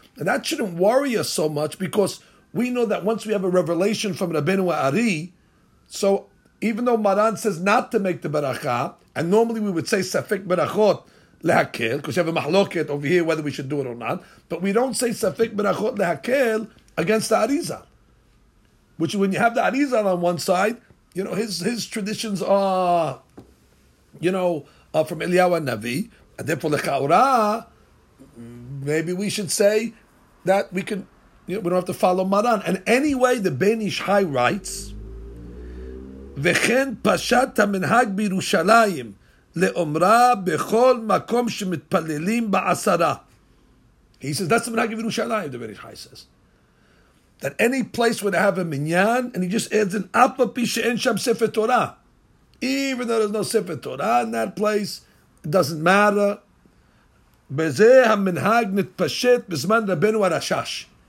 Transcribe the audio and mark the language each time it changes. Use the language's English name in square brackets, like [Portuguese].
[English] And that shouldn't worry us so much, because we know that once we have a revelation from Rabbeinu Ari, so even though Maran says not to make the Baracha, and normally we would say Safik Barachot Lehakel, because you have a Mahloket over here, whether we should do it or not, but we don't say Safik Barachot Lehakel against the Arizal. Which, when you have the Arizal on one side, you know, his traditions are, you know, are from Eliyahu Navi, and therefore Lechaura, maybe we should say that we can, you know, we don't have to follow Maran. And anyway, the Ben Ish Hai writes, [Hebrew] וכן פשט המנהג בירושלים לאומרה בכל מקום שמתפללים בעשרה. [English] He says, that's the menhag of Yerushalayim, the Ben Ish Hai says. That any place where they have a minyan, and he just adds an [Hebrew] apa pi she'en sham sefer Torah. [English] Even though there's no sefer Torah in that place, it doesn't matter. [Hebrew] Beze ha-menhag nitpashet bizman Rabbeinu Arashash.